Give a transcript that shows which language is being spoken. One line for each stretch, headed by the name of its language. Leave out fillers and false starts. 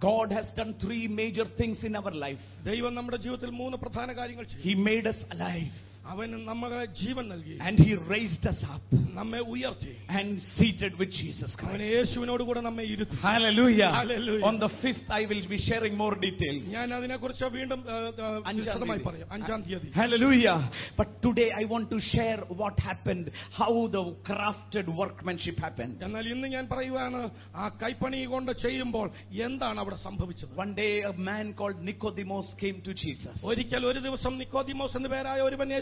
English: God has done 3 major things in our life.
Malayalam: ദൈവം നമ്മുടെ ജീവിതത്തിൽ 3 പ്രധാന കാര്യങ്ങൾ ചെയ്തു.
English: He made us alive.
Malayalam: അവൻ നമ്മളെ ജീവൻ നൽകി.
English: And he raised us up.
Malayalam: നമ്മെ ഉയർത്തി.
English: And seated with Jesus Christ.
Malayalam: അവൻ യേശുവിനോട് കൂടെ നമ്മെ ഇരുത്തി.
English: Hallelujah. Hallelujah. On the 5th I will be sharing more details.
Malayalam: ഞാൻ അതിനെക്കുറിച്ച് വീണ്ടും വിശദമായി പറയാം. 5th തീയതി.
English: Hallelujah. But today I want to share what happened, how the crafted workmanship happened.
Malayalam: എന്നാൽ ഇന്ന് ഞാൻ പറയുവാണ് ആ കൈപ്പണി കൊണ്ട് ചെയ്യുമ്പോൾ എന്താണ് അവിടെ സംഭവിച്ചത്.
English: One day a man called Nicodemus came to Jesus.
Malayalam: ഒരിക്കൽ ഒരു ദിവസം നിക്കോദിമോസ് എന്ന് പേരായ ഒരുവൻ.